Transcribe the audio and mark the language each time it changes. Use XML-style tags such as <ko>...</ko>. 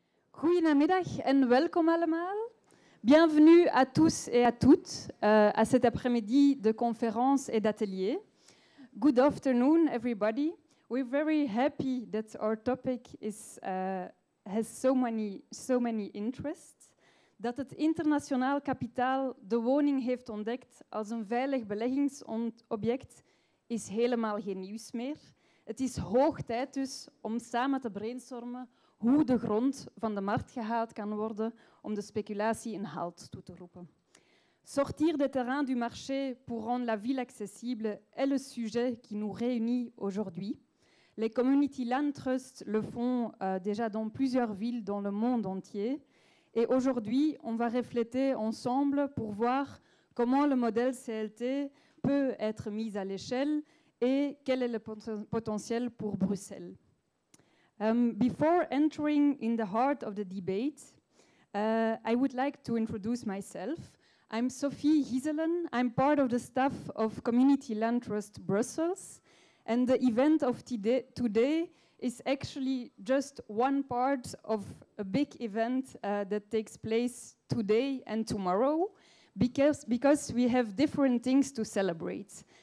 <nl>Goedemiddag en welkom allemaal.</nl> <fr>Bienvenue à tous et à toutes à cet après-midi de conférences et d'ateliers.</fr> <en>Good afternoon, everybody. We're very happy that our topic has so many interests.</en> <nl>Dat het internationaal kapitaal de woning heeft ontdekt als een veilig beleggingsobject is helemaal geen nieuws meer. Het is hoog tijd dus om samen te brainstormen hoe de grond van de markt gehaald kan worden om de speculatie een halt toe te roepen.</nl> <fr>Sortir des terrains du marché pour rendre la ville accessible est le sujet qui nous réunit aujourd'hui. Les community land trusts le font déjà dans plusieurs villes dans le monde entier. Et aujourd'hui, on va refléter ensemble pour voir comment le modèle CLT peut être mis à l'échelle et quel est le potentiel pour Bruxelles.</fr> <en>Before entering in the heart of the debate, I would like to introduce myself. I'm Sophie Hieselen. I'm part of the staff of Community Land Trust Brussels. And the event of today is actually just one part of a big event that takes place today and tomorrow, because we have different things to celebrate.</en>